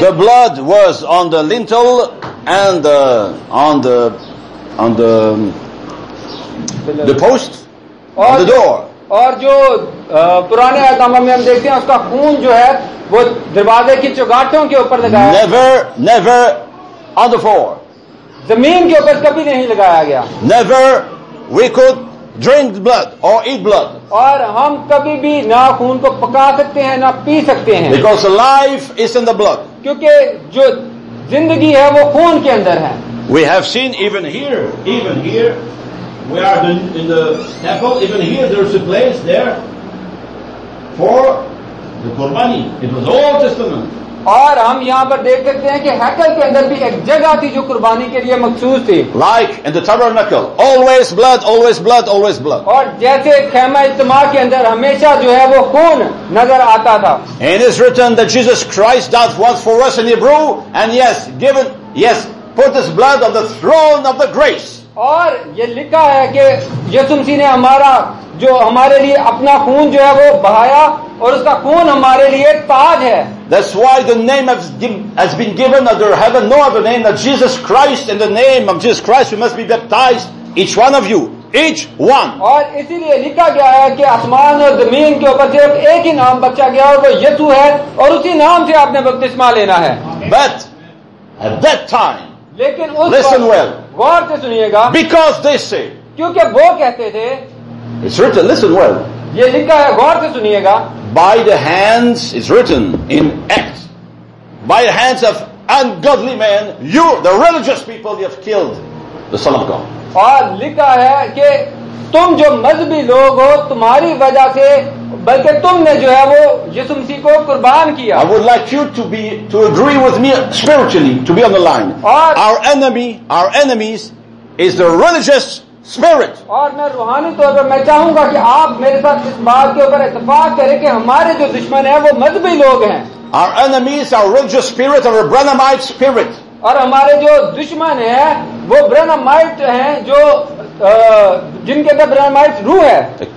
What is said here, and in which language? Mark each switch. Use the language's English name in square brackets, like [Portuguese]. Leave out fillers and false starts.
[English] the blood was on the lintel and on the the post or the door. [Hindi] और जो पुराने आदमों में हम देखते हैं उसका खून जो है वो दरवाजे की चौगाठों के ऊपर लगाया [English] never never on the floor [Hindi] जमीन के ऊपर कभी नहीं लगाया गया [English] never we could drink blood or eat blood [Hindi] और हम कभी भी ना खून को पका सकते हैं ना पी सकते हैं [English] because life is in the blood [Hindi] क्योंकि जो जिंदगी है वो खून के अंदर है [English] we have seen even here We are in the temple. Even here, there's a place there for the Qurbani. It was Old Testament. [Hindi] और हम यहाँ पर देख सकते हैं कि हैकल के अंदर भी एक जगह थी जो कुर्बानी के लिए मखसूस थी [English] Like in the tabernacle, always blood, always blood, always blood. [Hindi] और जैसे खैमा इत्तमा के अंदर हमेशा जो है वो खून नजर आता था [English] And it's written that Jesus Christ died once for us in Hebrew, and yes, given, yes, put his blood on the throne of the grace. [Hindi] और ये लिखा है कि यीशु मसीह ने हमारा जो हमारे लिए अपना खून जो है वो बहाया और उसका खून हमारे लिए ताज है [English] That's why the name has been given under heaven no other name than Jesus Christ in the name of Jesus Christ you must be baptized each one of you each one [Hindi] और इसीलिए लिखा गया है कि आसमान और जमीन के ऊपर सिर्फ एक ही नाम बचा गया और वो यीशु है और उसी नाम से आपने बपतिस्मा लेना है [English] But at that time [Hindi] लेकिन [English] Listen well [Hindi] गौर से सुनिएगा [English] Because they say [Hindi] क्योंकि वो कहते थे [English] It's written, listen well. [Hindi] ये लिखा है गौर से सुनिएगा [English] By the hands, it's written in Acts. By the hands of ungodly men, you, the religious people, you have killed the Son of God. [Hindi] और लिखा है कि तुम जो मजहबी लोग हो तुम्हारी वजह से बल्कि तुमने जो है वो यीशु मसीह को कुर्बान किया [English] I would like you to agree with me spiritually, to be on the line. Our enemies is the religious Spirit. [Hindi] और मैं रूहानी तौर पर मैं चाहूंगा कि आप मेरे साथ इस बात के ऊपर इत्तेफाक करें कि हमारे जो दुश्मन हैं वो मजहबी लोग हैं [English] Our enemies are religious spirit or Branhamite spirit. [Hindi] और हमारे जो दुश्मन हैं वो ब्रह्मामाइट हैं जो जिनके अंदर ब्रह्मामाइट रूह है